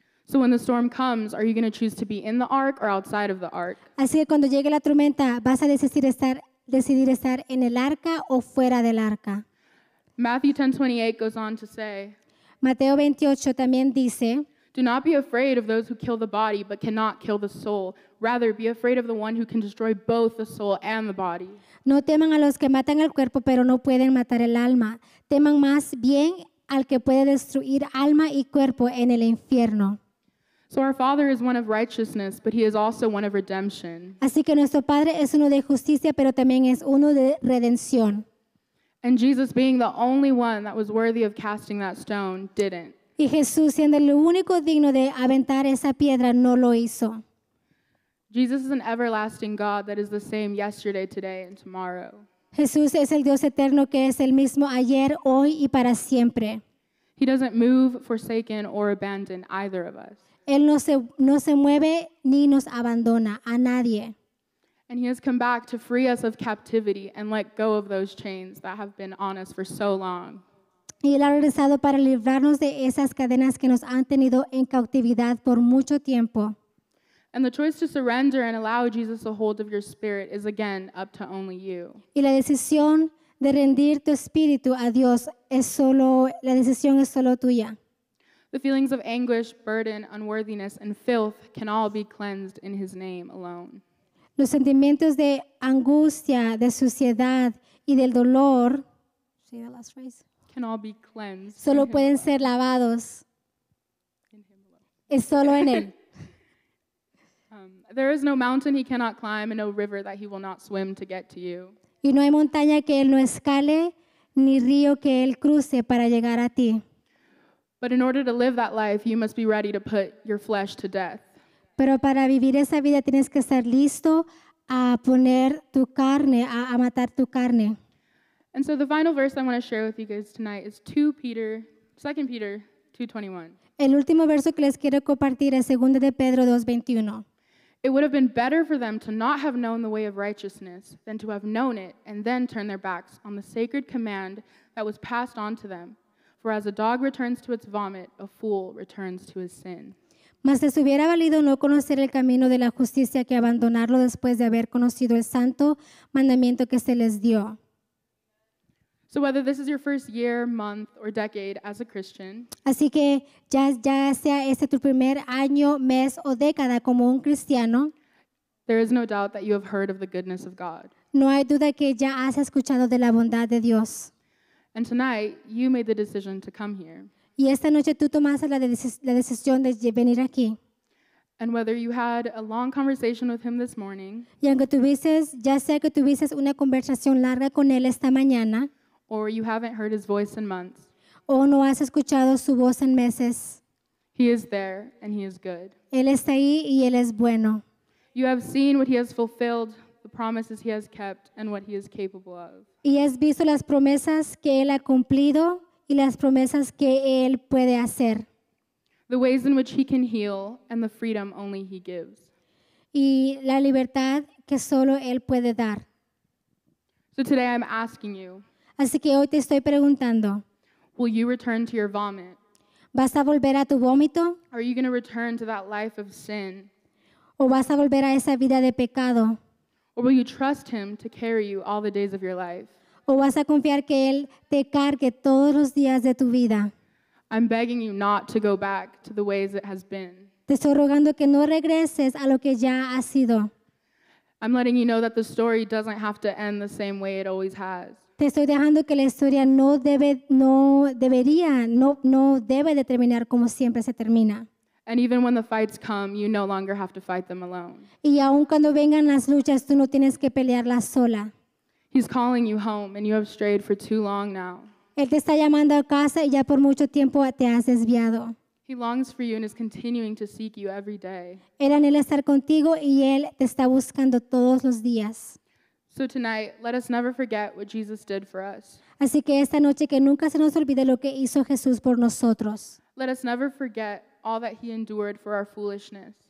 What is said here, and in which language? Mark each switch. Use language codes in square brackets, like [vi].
[en] So when the storm comes, are you going to choose to be in the ark or outside of the ark? [es] Así que cuando llegue la tormenta, ¿vas a decidir estar en el arca o fuera del arca? [en] Matthew 10:28 goes on to say, [es] Mateo 28 también dice, [en] do not be afraid of those who kill the body but cannot kill the soul. Rather, be afraid of the one who can destroy both the soul and the body. [es] No teman a los que matan el cuerpo pero no pueden matar el alma. Teman más bien al que puede destruir alma y cuerpo en el infierno. [en] So our Father is one of righteousness, but he is also one of redemption. [es] Así que nuestro Padre es uno de justicia, pero también es uno de redención. [en] And Jesus, being the only one that was worthy of casting that stone, didn't. [es] Y Jesús, siendo el único digno de aventar esa piedra, no lo hizo. [en] Jesus is an everlasting God that is the same yesterday, today, and tomorrow. [es] Jesús es el Dios eterno que es el mismo ayer, hoy, y para siempre. [en] He doesn't move, forsaken, or abandon either of us. [es] Él no se mueve ni nos abandona a nadie. [en] And he has come back to free us of captivity and let go of those chains that have been on us for so long. [es] Y él ha regresado para librarnos de esas cadenas que nos han tenido en cautividad por mucho tiempo. [en] And the choice to surrender and allow Jesus a hold of your spirit is again up to only you. [es] Y la decisión de rendir tu espíritu a Dios es solo tuya. [en] The feelings of anguish, burden, unworthiness, and filth can all be cleansed in his name alone. [es] Los sentimientos de angustia, de suciedad, y del dolor, [en] see that last phrase? Can all be cleansed. [es] Solo pueden ser lavados. Es solo en él. [en] There is no mountain he cannot climb and no river that he will not swim to get to you. [es] Y no hay montaña que él no escale, ni río que él cruce para llegar a ti. [en] But in order to live that life, you must be ready to put your flesh to death. [es] Pero para vivir esa vida tienes que estar listo a poner tu carne, a matar tu carne. [en] And so the final verse I want to share with you guys tonight is 2 Peter 2:21. [es] El último verso que les quiero compartir es 2 Pedro 2:21. [en] It would have been better for them to not have known the way of righteousness than to have known it and then turn their backs on the sacred command that was passed on to them. For as a dog returns to its vomit, a fool returns to his sin. [es] Mas les hubiera valido no conocer el camino de la justicia que abandonarlo después de haber conocido el santo mandamiento que se les dio. [en] So whether this is your first year, month, or decade as a Christian, [es] así que ya sea este tu primer año, mes, o década como un cristiano, [en] there is no doubt that you have heard of the goodness of God. [es] No hay duda que ya has escuchado de la bondad de Dios. [en] And tonight, you made the decision to come here. [es] Y esta noche tú tomaste la decisión de venir aquí. [en] And whether you had a long conversation with him this morning, [es] y aunque ya sea que tuvieses una conversación larga con él esta mañana, [en] or you haven't heard his voice in months, [es] o no has escuchado su voz en meses, [en] he is there and he is good. [es] Él está ahí y él es bueno. [en] You have seen what he has fulfilled, the promises he has kept, and what he is capable of. [es] Y has visto las promesas que él ha cumplido y las promesas que él puede hacer. [en] The ways in which he can heal and the freedom only he gives. [es] Y la libertad que solo él puede dar. [en] So today I'm asking you, [es] así que hoy te estoy preguntando, [en] will you return to your vomit? [es] ¿Vas a volver a tu vómito? [en] Are you going to return to that life of sin? [es] ¿O vas a volver a esa vida de pecado? [en] Or will you trust him to carry you all the days of your life? [es] ¿O vas a confiar que él te cargue todos los días de tu vida? [en] I'm begging you not to go back to the ways it has been. [es] Te estoy rogando que no regreses a lo que ya ha sido. [en] I'm letting you know that the story doesn't have to end the same way it always has. [es] Te estoy dejando que la historia no debe, no debería, no, no debe de terminar como siempre se termina. [en] And even when the fights come, you no longer have to fight them alone. [es] Y aun cuando vengan las luchas, tú no tienes que pelearlas sola. [en] He's calling you home, and you have strayed for too long now. [es] Él te está llamando a casa y ya por mucho tiempo te has desviado. [en] He longs for you and is continuing to seek you every day. [es] Él anhela estar contigo y él te está buscando todos los días. [en] So tonight, let us never forget what Jesus did for us. [es] Así que esta noche que nunca se nos olvide lo que hizo Jesús por nosotros. [en] Let us never forget all that he endured for our foolishness.